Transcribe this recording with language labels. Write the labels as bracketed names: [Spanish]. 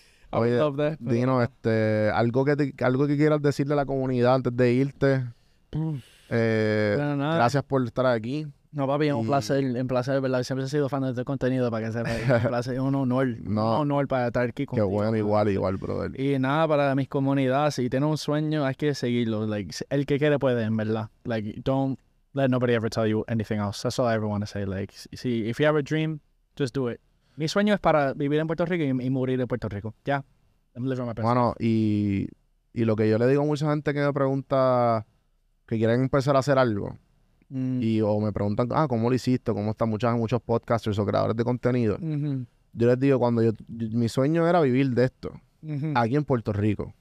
[Spanish] Oye, dinos, algo que quieras decirle a la comunidad antes de irte. Bueno, gracias por estar aquí. No, papi, es un placer, ¿verdad? Siempre he sido fan de este contenido, para que sepa. Es un placer, un honor para estar aquí contigo. Qué bueno, ¿no? igual, brother. Y nada, para mis comunidades, si tienes un sueño, hay que seguirlo. Like, el que quiere puede, en verdad. [English] Like, don't let nobody ever tell you anything else. That's all I ever want to say. Like, si, if you have a dream, just do it. [Spanish] Mi sueño es para vivir en Puerto Rico y morir en Puerto Rico. [English] Ya. Yeah. I'm living my best. [Spanish] Bueno, y lo que yo le digo a mucha gente que me pregunta que quieren empezar a hacer algo. Y o me preguntan, ¿cómo lo hiciste? ¿Cómo están muchos podcasters o creadores de contenido? Yo les digo, mi sueño era vivir de esto, aquí en Puerto Rico.